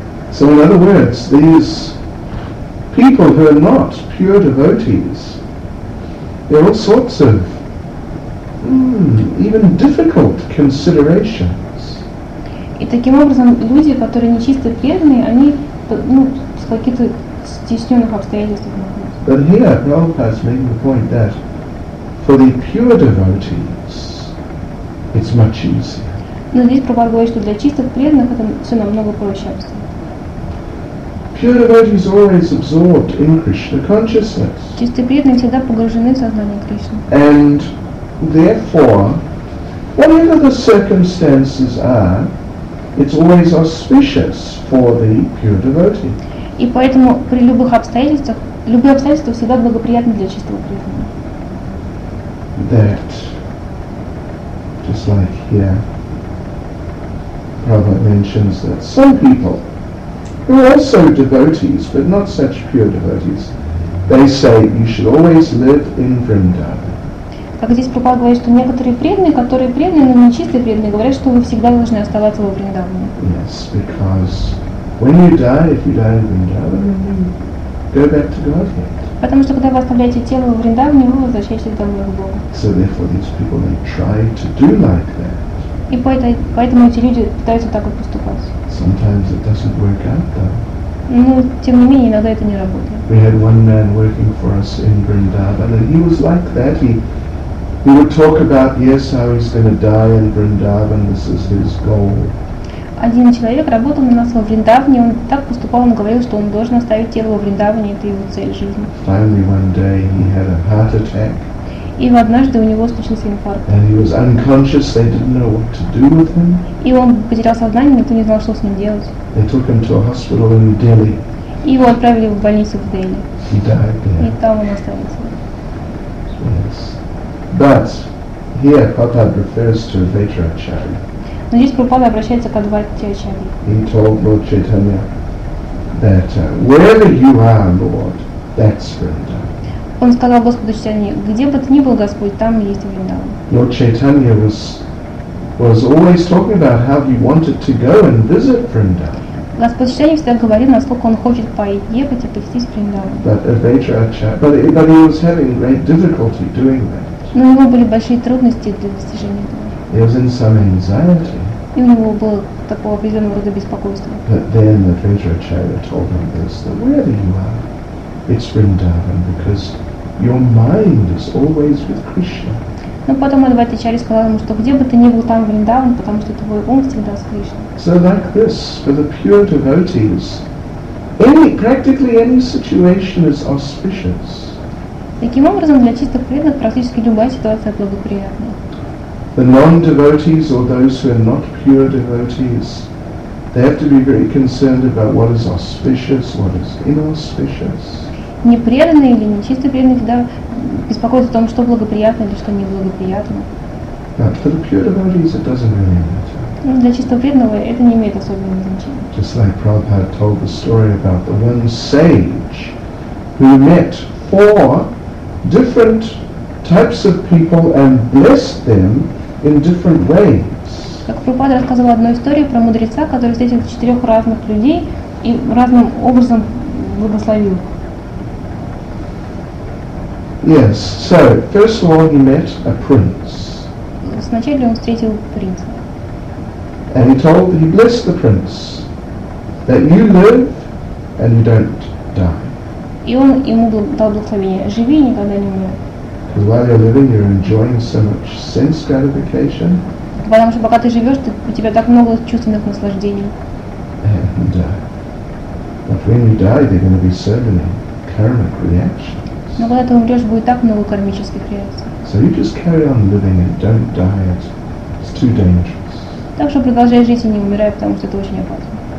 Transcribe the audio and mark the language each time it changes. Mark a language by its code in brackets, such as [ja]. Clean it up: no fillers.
[en] So in other words, these people who are not pure devotees, there are all sorts of even difficult considerations. [ru] И таким образом, люди, которые нечисто преданные, они с каких-то стесненных обстоятельств. [en] But here, Prabhupada is making the point that for the pure devotees, it's much easier. [ru] Но здесь Прабхупада говорит, что для чистых преданных это все намного проще. [en] Pure devotees always absorbed in Krishna consciousness. [ru] Чистые преданные всегда погружены в сознание Кришны. [en] And therefore, whatever the circumstances are, it's always auspicious for the pure devotee. [ru] И поэтому при любых обстоятельствах, любые обстоятельства всегда благоприятны для чистого преданного. [en] That, just like here, Prabhupada mentions that some people, who are also devotees, but not such pure devotees, they say you should always live in Vrindavan. [ru] Как здесь Прабхупада говорит, что некоторые преданные, которые преданные, но не чистые преданные, говорят, что вы всегда должны оставаться во Вриндаване. [en] Yes, because when you die, if you die in Vrindavan, go back to Godhead. [ru] Потому что когда вы оставляете тело во Вриндаване, вы возвращаетесь домой к Богу. [en] So therefore, these people they try to do like that. [ru] И поэтому эти люди пытаются так вот поступать. [en] Sometimes it doesn't work out, though. [ru] Но тем не менее иногда это не работает. [en] We had one man working for us in Vrindavan, and he was like that. He would talk about, yes, how he's going to die in Vrindavan. This is his goal. [ru] Один человек работал на нас во Вриндаване, он так поступал, он говорил, что он должен оставить тело во Вриндаване, это его цель жизни. [en] Finally, one day he had a heart attack. [ru] И однажды у него случился инфаркт. [en] And he was unconscious, they didn't know what to do with him. [ru] И он потерял сознание, никто не знал, что с ним делать. [en] They took him to a hospital in Delhi. [ru] И его отправили в больницу в Дели. [en] He died there. [ru] И там он остался. [en] Yes. But here Prabhupada refers to Advaita-acharya. [ru] Но здесь Прабхупада обращается к Адвайта-ачарье. [en] He told Lord Chaitanya that wherever you are, Lord, that's Vrindavan. [ru] Он сказал Господу Чайтанье, где бы ты ни был, Господь, там есть Вриндаван. [en] Lord Chaitanya was always talking about how he wanted to go and visit Vrindavan. [ru] Господь Чайтанье всегда говорил, насколько он хочет поехать и посетить Вриндаван. [en] But Advaita-acharya, but he was having great difficulty doing that. [ru] Но у него были большие трудности для достижения этого. [en] He was in some anxiety. [ru] И у него было такого определенного рода беспокойства. [en] But then Advaita-acharya told him this, that wherever you are, it's Vrindavan, because your mind is always with Krishna. [ru] Но потом Адвайта-ачарья сказал ему, что где бы ты ни был, там Вриндаван, потому что твой ум всегда с Кришной. [en] So like this, for the pure devotees, practically any situation is auspicious. [ru] Таким образом, для чистых преданных практически любая ситуация благоприятна. [en] The non-devotees or those who are not pure devotees, they have to be very concerned about what is auspicious, what is inauspicious. [ru] Непреданные или нечистые преданные всегда беспокоятся о том, что благоприятно или что неблагоприятно. [en] But for the pure devotees, it doesn't really matter. [ru] Для чистого преданного это не имеет особенного значения. [en] Just like Prabhupada told the story about the one sage who met four different types of people and blessed them in different ways. [ru] Как Прабхупада рассказывал одну историю про мудреца, который встретил четырех разных людей и разным образом благословил. [en] Yes, so first of all he met a prince. [ru] Сначала он встретил принца. [en] And he blessed the prince, that you live and you don't die. [ru] И он ему дал благословение: живи и никогда не умрёшь. [en] Because while you're living, you're enjoying so much sense gratification. [ru] Потому что пока ты живёшь, ты, у тебя так много чувственных наслаждений. [en] And, but when you die, there are going to be so many karmic reactions. [ru] Но когда ты умрёшь, будет так много кармических реакций. [en] So you just carry on living and don't die. It's too dangerous. [ru] Так что продолжай жить и не умирай, потому что это очень опасно.